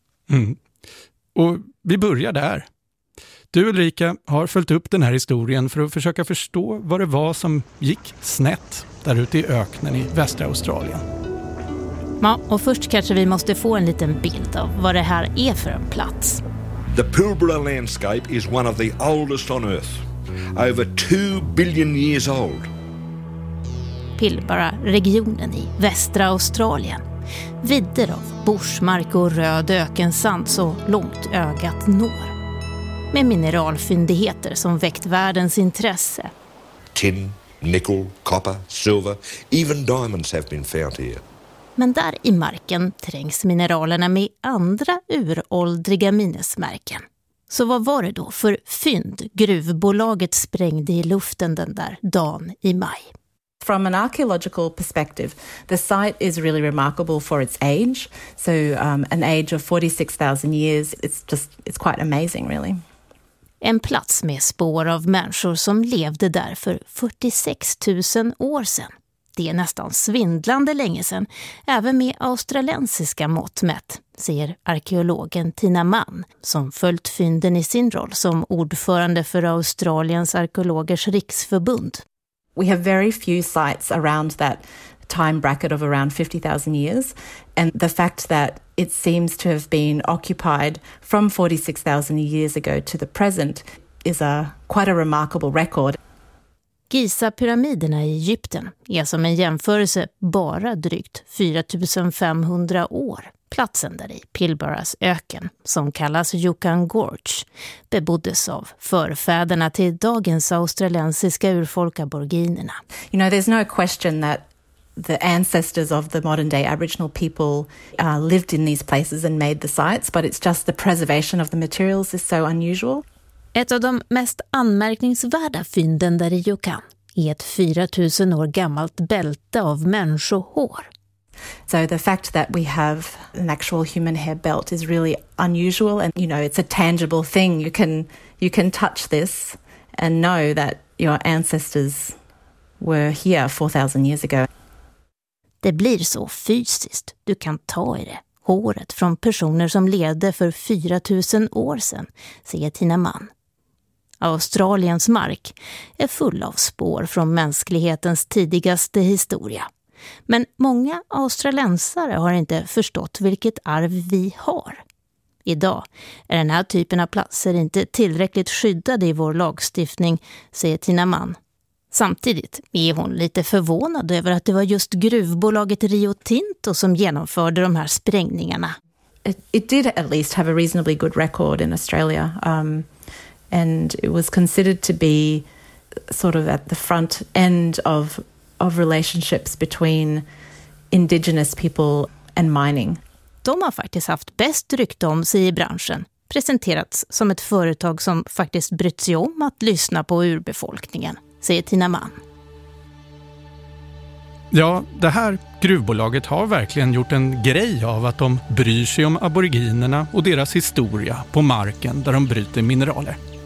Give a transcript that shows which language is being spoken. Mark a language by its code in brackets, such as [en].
[sv] Mm. Och vi börjar där. Du, Ulrika, har följt upp den här historien för att försöka förstå vad det var som gick snett där ute i öknen i västra Australien. Ja, och först kanske vi måste få en liten bild av vad det här är för en plats. [en] The Pilbara landscape is one of the oldest on earth, over 2 billion years old. [sv] Pilbara-regionen i västra Australien. Vidder av borsmark och röd ökensand så långt ögat når. Med mineralfyndigheter som väckt världens intresse. [en] Tin, nickel, copper, silver, even diamonds have been found here. [sv] Men där i marken trängs mineralerna med andra uråldriga minnesmärken. Så vad var det då för fynd gruvbolaget sprängde i luften den där dagen i maj? [en] From an archaeological perspective, the site is really remarkable for its age. So an age of 46 000 years, it's quite amazing really. [sv] En plats med spår av människor som levde där för 46 000 år sedan. Det är nästan svindlande länge sedan, även med australiensiska mått mätt, säger arkeologen Tina Mann, som följt fynden i sin roll som ordförande för Australiens arkeologers riksförbund. [en] We have very few sites around that time bracket of around 50,000 years, and the fact that it seems to have been occupied from 46,000 years ago to the present is quite a remarkable record. [sv] Giza-pyramiderna i Egypten är som en jämförelse bara drygt 4500 år. Platsen där i Pilbaras öken, som kallas Juukan Gorge, beboddes av förfäderna till dagens australiensiska urfolk aboriginerna. [en] You know, there's no question that the ancestors of the modern day aboriginal people lived in these places and made the sites, but it's just the preservation of the materials is so unusual. [sv] Ett av de mest anmärkningsvärda fynden där i Juukan i ett 4000 år gammalt bälte av människohår. [en] So the fact that we have an actual human hair belt is really unusual, and you know, it's a tangible thing. You can touch this and know that your ancestors were here 4000 years ago. [sv] Det blir så fysiskt. Du kan ta i det. Håret från personer som levde för 4000 år sedan, säger Tina Mann. Australiens mark är full av spår från mänsklighetens tidigaste historia. Men många australensare har inte förstått vilket arv vi har. Idag är den här typen av platser inte tillräckligt skyddade i vår lagstiftning, säger Tina Mann. Samtidigt är hon lite förvånad över att det var just gruvbolaget Rio Tinto som genomförde de här sprängningarna. [en] It did at least have a reasonably good record in Australia. And it was considered to be sort of at the front end of relationships between indigenous people and mining. [sv] De har faktiskt haft bäst rykte om sig i branschen, presenterats som ett företag som faktiskt brytt sig om att lyssna på urbefolkningen, säger Tina Mann. Ja, det här gruvbolaget har verkligen gjort en grej av att de bryr sig om aboriginerna och deras historia på marken där de bryter mineraler.